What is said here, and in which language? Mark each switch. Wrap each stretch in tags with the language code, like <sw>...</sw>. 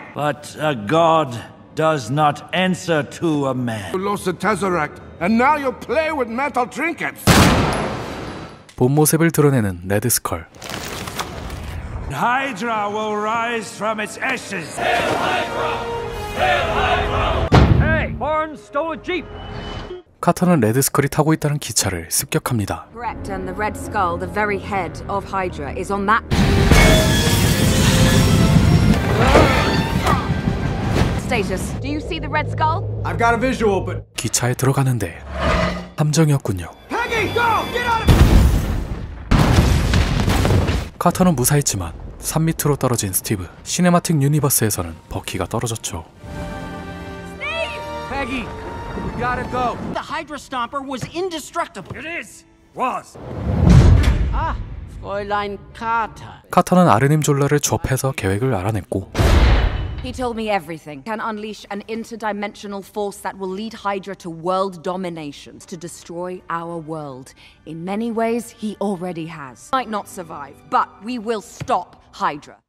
<en>But a god does not answer to a man. You lost the Tesseract, and now you play with metal trinkets.</en> <ko>본 모습을 드러내는 레드 스컬.</ko> <en>Hydra will rise from its ashes. Hail Hydra! Hail Hydra! Hey, Barnes stole a jeep.</en> <ko>카터는 레드 스컬이 타고 있다는 기차를 습격합니다.</ko> <en>Correct, and the Red Skull, the very head of Hydra, is on that. Status. Do you see the red skull? I've got a visual, but</en> <ko>기차에 들어가는데 함정이었군요.</ko> <en>Peggy, go! Get out of...</en> <ko>카터는 무사했지만 3미터로 떨어진 스티브. 시네마틱 유니버스에서는 버키가 떨어졌죠.</ko> <en>Steve! Peggy, we gotta go. The Hydra Stomper was indestructible. It is. Was. Ah, Fräulein Carter.</en> <ko>카터는 아르님 졸라를 접해서 계획을 알아냈고</ko> <en>He told me everything. Can unleash an interdimensional force that will lead Hydra to world domination, to destroy our world. In many ways, he already has. Might not survive, but we will stop Hydra.</en>